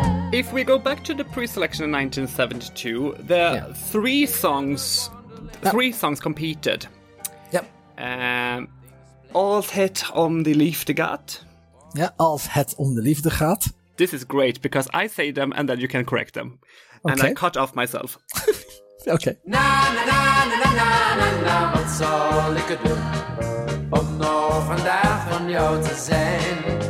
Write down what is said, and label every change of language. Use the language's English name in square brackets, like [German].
[English] If we go back to the pre-selection in 1972, there are three songs competed. Yep. [Dutch] Als het om de liefde gaat. Yeah, als het om de liefde gaat. [English] This is great because I say them and then you can correct them. Okay. And I cut off myself. Okay. [Dutch] Na na na na na na na na, wat zal ik het doen om nog vandaag van jou te zijn?